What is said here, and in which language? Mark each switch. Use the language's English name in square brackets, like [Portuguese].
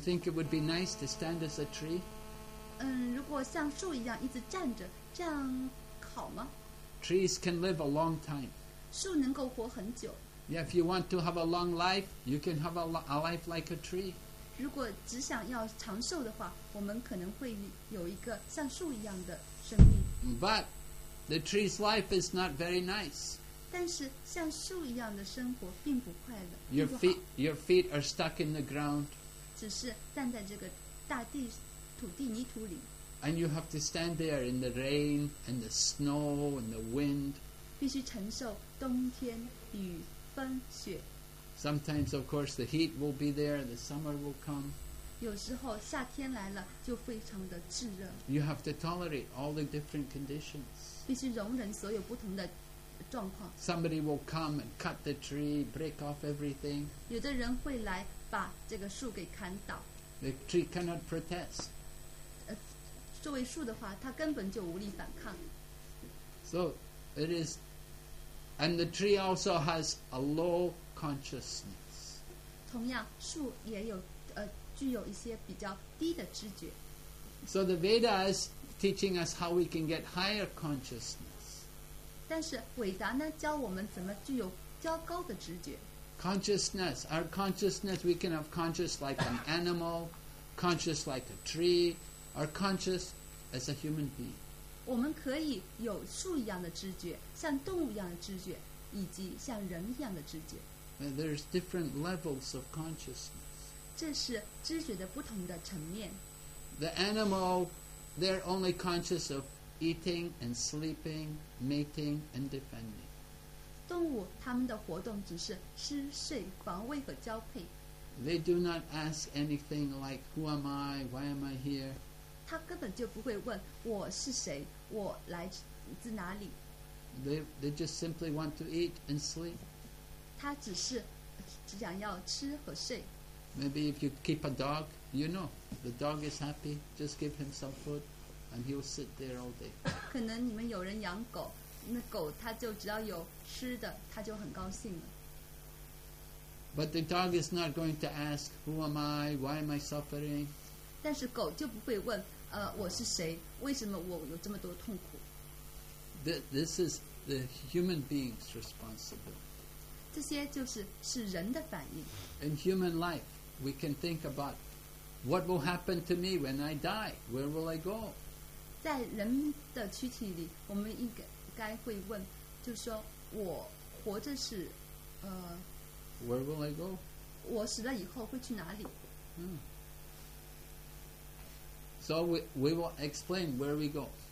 [English] think it would be nice to stand as a tree? [Chinese] 如果像树一样一直站着，这样。 [English] Trees can live a long time. [Chinese] 树能够活很久。 [English] Yeah, if you want to have a long life, you can have a life like a tree. [Chinese] 如果只想要长寿的话，我们可能会有一个像树一样的生命。 [English] But the tree's life is not very nice. [Chinese] 但是像树一样的生活并不快乐。 [English] Your feet are stuck in the ground. [Chinese] 只是站在这个大地土地泥土里。 [English] And you have to stand there in the rain, and the snow, and the wind. [Chinese] 必须承受冬天、雨、风、雪。 [English] Sometimes, of course, the heat will be there, the summer will come. [Chinese] 有时候夏天来了就非常的炙热。 [English] You have to tolerate all the different conditions. [Chinese] 必须容忍所有不同的状况。 [English] Somebody will come and cut the tree, break off everything. [Chinese] 有的人会来把这个树给砍倒。 [English] The tree cannot protest. [Chinese] 作为树的话，它根本就无力反抗。 [English] So, it is And the tree also has a low consciousness. [Chinese] 同样，树也有具有一些比较低的知觉。 [English] So the Vedas teaching us how we can get higher consciousness. [Chinese] 但是韦达呢，教我们怎么具有较高的知觉。 [English] Consciousness, our consciousness, we can have conscious like an animal, conscious like a tree, or conscious as a human being. [Chinese] 我们可以有树一样的知觉，像动物一样的知觉，以及像人一样的知觉。 [English] There's different levels of consciousness. [Chinese] 这是知觉的不同的层面。 [English] The animal, they're only conscious of eating and sleeping, mating and defending. [Chinese] 动物它们的活动只是吃、睡、防卫和交配。 [English] They do not ask anything like, "Who am I? Why am I here?" [Chinese] 它根本就不会问我是谁，我来自哪里。 [English] They just simply want to eat and sleep. [Chinese] 它只想要吃和睡。 [English] Maybe if you keep a dog, you know, the dog is happy. Just give him some food, and he'll sit there all day. [Chinese] 可能你们有人养狗，那狗它就只要有吃的，它就很高兴了。 [English] But the dog is not going to ask, "Who am I? Why am I suffering?" [Chinese] 但是狗就不会问，我是谁？为什么我有这么多痛苦？ [English] This is the human being's responsibility. [Chinese] 这些就是人的反应。 [English] In human life. We can think about what will happen to me when I die. Where will I go? [Chinese] 在人的躯体里，我们应该会问，就说我活着是 [English] Where will I go? [Chinese] 我死了以后会去哪里？ [English] So we will explain where we go.